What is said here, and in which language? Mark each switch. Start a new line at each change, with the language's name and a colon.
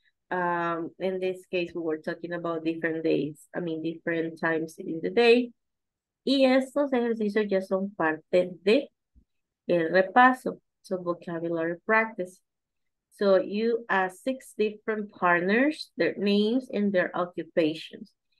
English: In this case, we were talking about different days, I mean, different times in the day.
Spanish: Y estos ejercicios ya son parte de el repaso,
English: so vocabulary practice. So you ask six different partners, their names and their occupations.